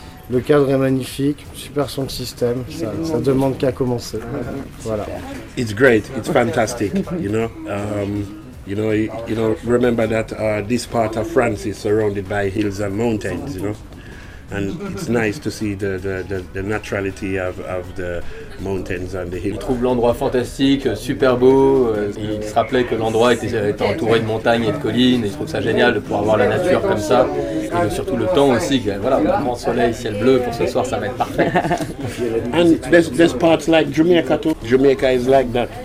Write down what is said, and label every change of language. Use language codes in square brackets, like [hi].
[fr] Le cadre est magnifique, super son système, ça demande qu'à commencer. Voilà. [en] It's great, it's fantastic, you know. Remember that this part of France is surrounded by hills and mountains, you know. And it's nice to see the naturality of the mountains and the hills. [fr] Il trouve l'endroit fantastique, super beau. Il se rappelait que l'endroit était entouré de montagnes et de collines. Il trouve ça génial de pouvoir voir la nature comme ça. Et surtout le temps aussi. Voilà, un grand soleil, ciel bleu pour ce soir, ça va être parfait. [en] And there's parts like Jamaica too. Jamaica is like that.